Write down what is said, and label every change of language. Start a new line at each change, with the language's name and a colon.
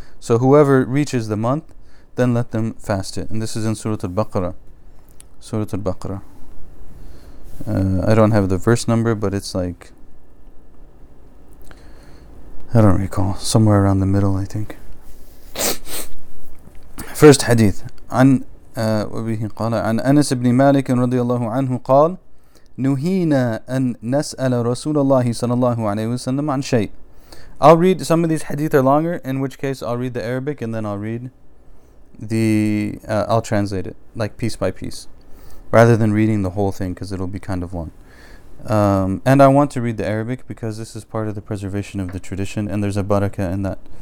English: So whoever reaches the month, then let them fast it. And this is in Surah Al-Baqarah. Surah Al-Baqarah. I don't have the verse number, but it's like, I don't recall. Somewhere around the middle, I think. First hadith.
Arabic: عن أبيه قال عن أنس بن مالك رضي الله عنه قال نهينا أن نسأل رسول الله صلى الله عليه وسلم عن شيء.
English: I'll read, some of these hadith are longer, in which case I'll read the Arabic and then I'll read the, I'll translate it, like piece by piece, rather than reading the whole thing because it'll be kind of long. And I want to read the Arabic because this is part of the preservation of the tradition, and there's a barakah in that.